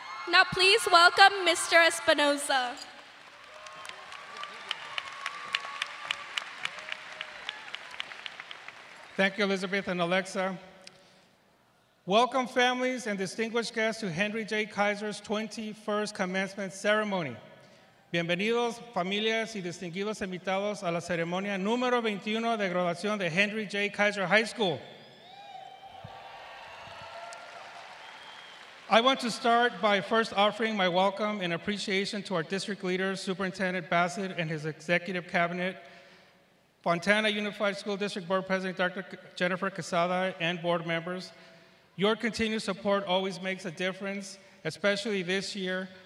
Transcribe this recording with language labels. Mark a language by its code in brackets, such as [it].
[en] Now please welcome Mr. Espinoza. Thank you, Elizabeth and Alexa. Welcome families and distinguished guests to Henry J. Kaiser's 21st commencement ceremony. [es] Bienvenidos, familias y distinguidos invitados a la ceremonia número 21 de graduación de Henry J. Kaiser High School. [en] I want to start by first offering my welcome and appreciation to our district leader, Superintendent Bassett, and his executive cabinet, Fontana Unified School District Board President Dr. Jennifer Quesada, and board members. Your continued support always makes a difference, especially this year.